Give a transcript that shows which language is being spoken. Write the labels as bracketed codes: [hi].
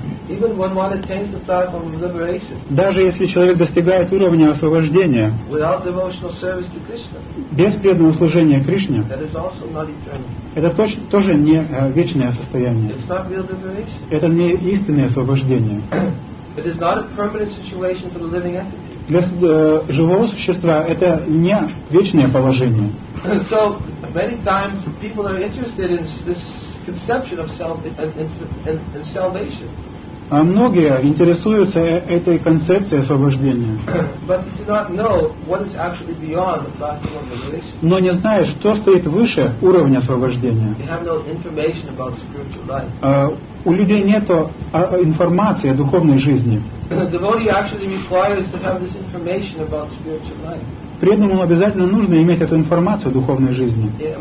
[en] Even when one attains the platform of liberation, [ru] даже если человек достигает уровня освобождения, [en] without devotional service to Krishna, [ru] без преданного служения Кришне, [en] that is also not eternal. [ru] Это тоже не вечное состояние. [en] It's not real liberation. [ru] Это не истинное освобождение. [en] It is not a permanent situation for the living entity. [ru] Для живого существа это не вечное положение. [en] So many times people are interested in this conception of self and salvation. [ru] А многие интересуются этой концепцией освобождения. [en] But they do not know what is actually beyond the platform of liberation. [ru] Но не знают, что стоит выше уровня освобождения. [en] They have no information about spiritual life. [ru] У людей нет информации о духовной жизни. [en] Devotee actually requires to have this information about spiritual life. [ru] Преданному обязательно нужно иметь эту информацию о духовной жизни.